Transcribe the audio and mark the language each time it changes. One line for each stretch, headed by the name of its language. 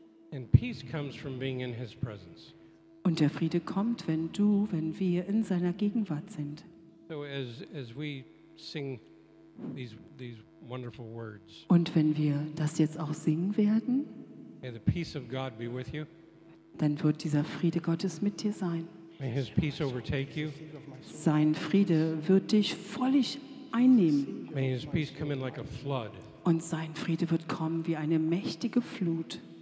English: And peace comes from being in his presence.
German: Und der Friede kommt, wenn wir in seiner Gegenwart sind.
English: So as we sing these wonderful words.
German: Und wenn wir das jetzt auch singen werden.
English: May the peace of God be with you.
German: Dann wird dieser Friede Gottes mit dir sein.
English: May his peace overtake you.
German: Sein Friede wird dich völlig einnehmen.
English: May his peace come in like a flood.
German: Und sein Friede wird kommen wie eine mächtige Flut.